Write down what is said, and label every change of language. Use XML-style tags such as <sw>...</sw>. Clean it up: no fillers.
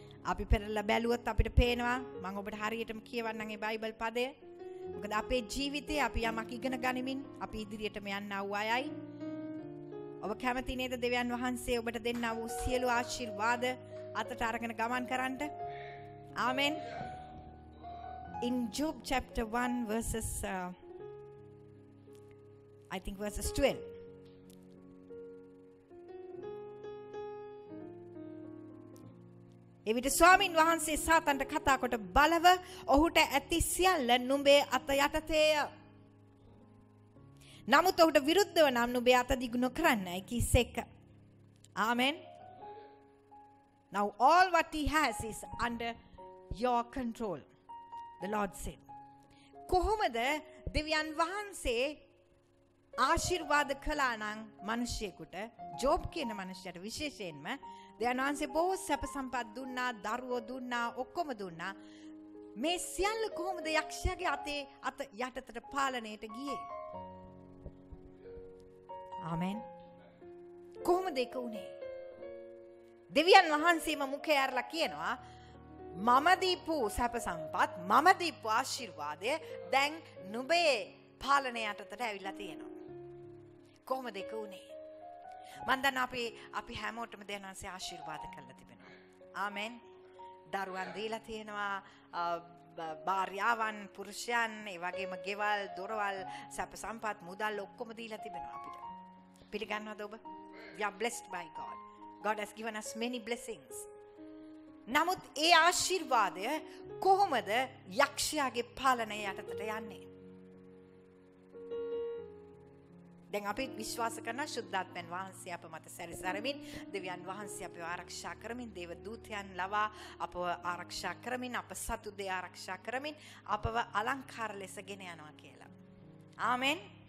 <si>අපි පෙරලා බැලුවොත් අපිට පේනවා මං ඔබට හරියටම කියවන්නම් මේ බයිබල් පදය. මොකද අපේ ජීවිතේ අපි යමක් ඉගෙන ගනිමින් අපි ඉදිරියටම යන්න ආවයයි. ඔබ කැමති නේද දෙවියන් වහන්සේ ඔබට දෙන්නා වූ සියලු ආශිර්වාද අතට අරගෙන ගමන් කරන්නට? ආමෙන්.</si> <en>In Job chapter 1 verses, I think verses 12.</en> <si>එවිට ස්වාමින් වහන්සේ සාතන්ට කතා කොට බලව ඔහුට ඇති සියල්ල නුඹේ අත යටතේය. නමුත් ඔහුට විරුද්ධව නම් නුඹේ අත දිගු නොකරන්නයි කිසෙක. ආමෙන්.</si> <en>Now all what he has is under your control. The Lord said.</en> <si>කොහොමද දෙවියන් වහන්සේ ආශිර්වාද කළා නම් මිනිසෙකුට ජොබ් කියන මිනිහට විශේෂයෙන්ම දෙවියන් වහන්සේ බොහෝ සැප සම්පත් දුන්නා, දරුවෝ දුන්නා, ඔක්කොම දුන්නා. මේ සියල්ල කොහොමද යක්ෂයාගේ අතේ අත යටතට පාලනයට ගියේ? ආමෙන්. කොහොමද ඒක උනේ? දෙවියන් වහන්සේම මුඛය ඇරලා කියනවා මම දීපු සැප සම්පත්, මම දීපු ආශිර්වාදය දැන් නුඹේ පාලනය යටතට ඇවිල්ලා තියෙනවා. කොහොමද ඒක උනේ? මන් දන්න අපි හැමෝටම දෙවියන් වහන්සේ ආශිර්වාද කරලා තිබෙනවා. ආමෙන්. දරුවන් දීලා තියෙනවා, භාර්යාවන්, පුරුෂයන්, ඒ වගේම ගෙවල්, දොරවල්, සැප සම්පත්, මුදල් ඔක්කොම දීලා තිබෙනවා අපිට. පිළිගන්නවද ඔබ?</si> <en>We are blessed by God. God has given us many blessings.</en> <si>නමුත් ඒ ආශිර්වාදය කොහොමද යක්ෂයාගේ පාලනය යටතට යන්නේ? දැන් අපි විශ්වාස කරන ශුද්ධාත්මන් වහන්සේ අප මත සැරිසරමින් දෙවියන් වහන්සේ අපව ආරක්ෂා කරමින් දේව දූතයන් ලවා අපව ආරක්ෂා කරමින් අප සතු දෙය ආරක්ෂා කරමින් අපව අලංකාර ලෙසගෙන යනවා කියලා. ආමෙන්.</si>